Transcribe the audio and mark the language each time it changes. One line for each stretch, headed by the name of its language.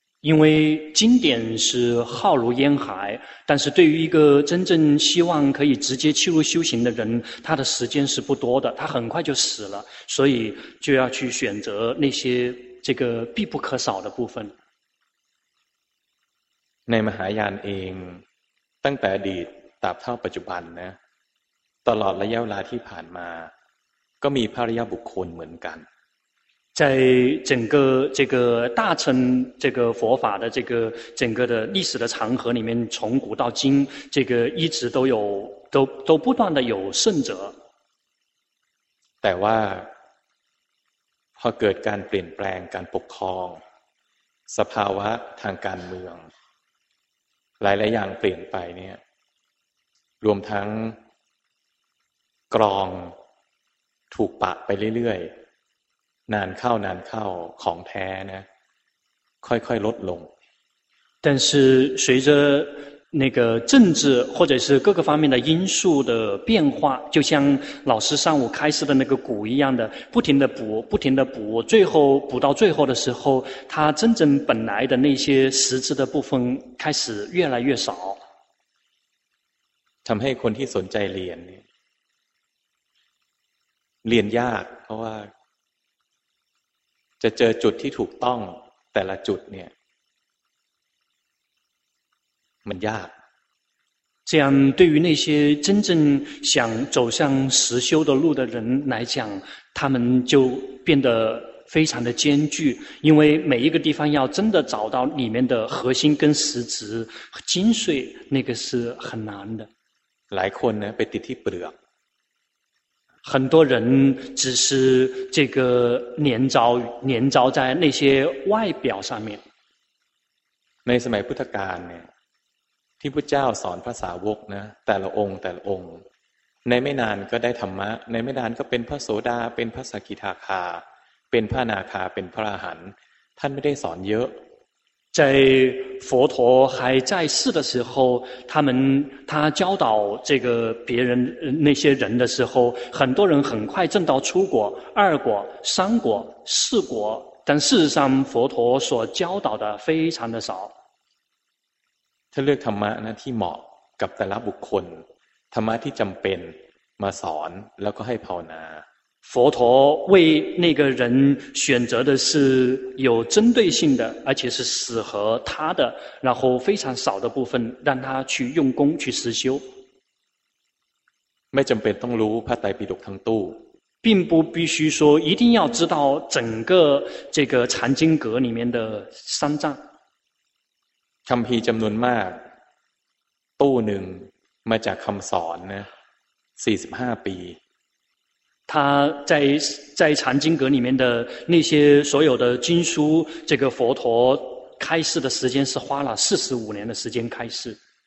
Chinese: 因为经典是浩如烟海，但是对于一个真正希望可以直接切入修行的人，他的时间是不多的，他很快就死了，所以就要去选择那些这个必不可少的部分。
Thai: ในมหายานเองตั้งแต่อดีตตราบเท่าปัจจุบันนะตลอดระยะเวลาที่ผ่านมาก็มีพระอริยบุคคลเหมือนกัน
Chinese: 在整个这个大乘这个佛法的这个整个的历史的长河里面，从古到今，这个一直都有都不断的有圣者。
Thai: แต่ว่าพอเกิดการเปลี่ยนแปลงการปกครองสภาวะทางการเมืองหลายๆอย่างเปลี่ยนไปเนี่ยรวมทั้งกรองถูกปะไปเรื่อยๆนานเข้านานเข้าของแท้นะค่อยค่อยลดลง
Chinese: 但是随着那个政治或者是各个方面的因素的变化就像老师上午开始的那个鼓一样的不停的补不停的补最后补到最后的时候它真正本来的那些实质的部分开始越来越少
Thai: ทำให้คนที่สนใจเรียนเรียนยากเพราะว่าจะเจอจุดที่ถูกต้องแต่ละจุดเนี่ยมันยาก
Chinese: 这样对于那些真正想走向实修的路的人来讲他们就变得非常的艰巨因为每一个地方要真的找到里面的核心跟实质精髓那个是很难的
Thai: หลายคนนะไปติดที่เปลือก
Chinese: 很多人只是这个黏着在那些外表上面。
Thai: ในสมัยพุทธกาลเนี่ยที่พระเจ้าสอนพระสาวกนะแต่ละองค์แต่ละองค์ในไม่นานก็ได้ธรรมะในไม่นานก็เป็นพระโสดาเป็นพระสกิทาคาเป็นพระอนาคาเป็นพระอรหันต์ท่านไม่ได้สอนเยอะ
Chinese: 在佛陀还在世的时候他教导这个别人那些人的时候很多人很快证到初果二果三果四果但事实上佛陀所教导的非常的少
Thai: 他เลือกธรรมะนะที่เหมาะกับแต่ละบุคคลธรรมะที่จำเป็นมาสอนแล้วก็ให้ภาวนา
Chinese: 佛陀为那个人选择的是有针对性的而且是适合他的然后非常少的部分让他去用功去实修
Thai: ไม่จำเป็นต้องรู้พระไตรปิฎกทั้งตู้
Chinese: 并不必须说一定要知道整个这个藏经阁里面的三藏
Thai: คำพีจำนวนมากตู้หนึ่งมาจากคำสอนนะ45ปี
Chinese: 他在藏经阁里面的那些所有的经书，这个佛陀开示的时间是花了45年的时间开示。